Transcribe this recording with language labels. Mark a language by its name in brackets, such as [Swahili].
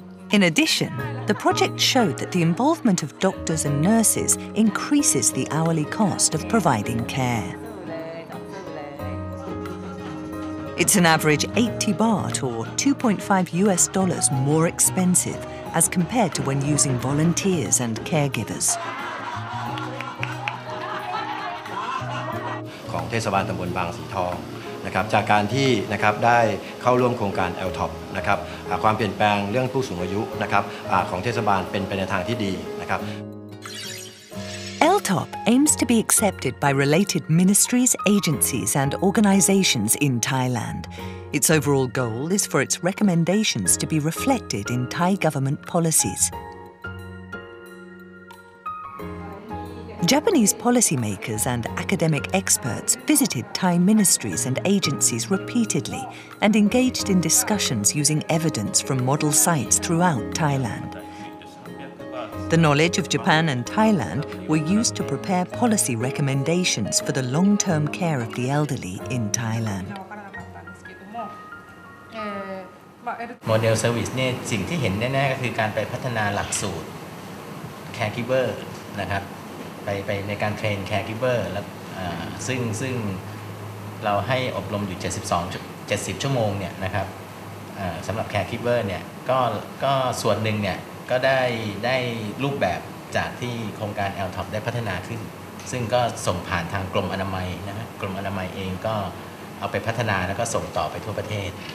[English] In addition, the project showed that the involvement of doctors and nurses increases the hourly cost of providing care. It's an average 80 baht, or $2.5 more expensive as compared to when using volunteers and caregivers. [Thai] ของเทศบาลตำบลบางสีทองนะครับจากการที่นะครับได้เข้าร่วมโครงการ LTOP นะครับความเปลี่ยนแปลงเรื่องผู้สูงอายุนะครับของเทศบาลเป็นไปในทางที่ดีนะครับ [English] LTOP aims to be accepted by related ministries, agencies and organizations in Thailand. Its overall goal is for its recommendations to be reflected in Thai government policies. Japanese policymakers and academic experts visited Thai ministries and agencies repeatedly and engaged in discussions using evidence from model sites throughout Thailand. The knowledge of Japan and Thailand were used to prepare policy recommendations for the long-term care of the elderly in Thailand. [Thai] Model service, เนี่ย สิ่ง ที่ เห็น แน่ ๆ ก็ คือ การ ไป พัฒนา หลัก สูตร caregiver นะครับไปในการเทรน caregiver แล้วซึ่ง เราให้อบรมอยู่70ชั่วโมงเนี่ยนะครับสำหรับแคร์คีเวอร์เนี่ยก็ส่วนหนึ่งเนี่ยก็ได้รูปแบบจากที่โครงการ LTOP ได้พัฒนาขึ้นซึ่งก็ส่งผ่านทางกรมอนามัยนะกรมอนามัยเองก็เอาไปพัฒนาแล้วก็ส่งต่อไปทั่วประเทศ